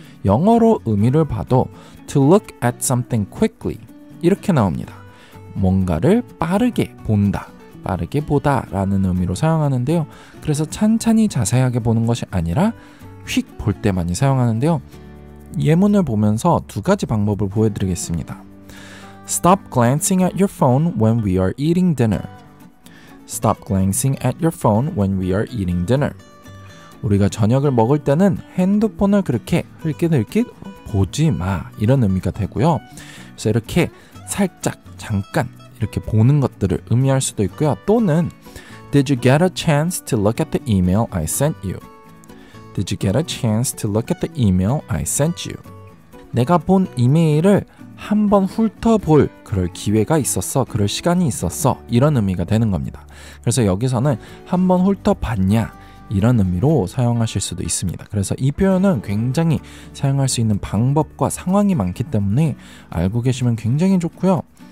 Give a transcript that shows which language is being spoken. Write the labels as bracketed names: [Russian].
[Korean] 영어로 의미를 봐도 [English] to look at something quickly [Korean] 이렇게 나옵니다. 뭔가를 빠르게 본다, 빠르게 보다 라는 의미로 사용하는데요. 그래서 찬찬히 자세하게 보는 것이 아니라 휙 볼 때 많이 사용하는데요. 예문을 보면서 두 가지 방법을 보여드리겠습니다. [English] Stop glancing at your phone when we are eating dinner. Stop glancing at your phone when we are eating dinner. [Korean] 우리가 저녁을 먹을 때는 핸드폰을 그렇게 흘낏흘낏 보지 마 이런 의미가 되고요. 그래서 이렇게 살짝 잠깐 이렇게 보는 것들을 의미할 수도 있고요. 또는 [English] Did you get a chance to look at the email I sent you? Did you get a chance to look at the email I sent you? [Korean] 내가 본 이메일을 한번 훑어볼 그럴 기회가 있었어, 그럴 시간이 있었어 이런 의미가 되는 겁니다. 그래서 여기서는 한번 훑어봤냐 이런 의미로 사용하실 수도 있습니다. 그래서 이 표현은 굉장히 사용할 수 있는 방법과 상황이 많기 때문에 알고 계시면 굉장히 좋고요.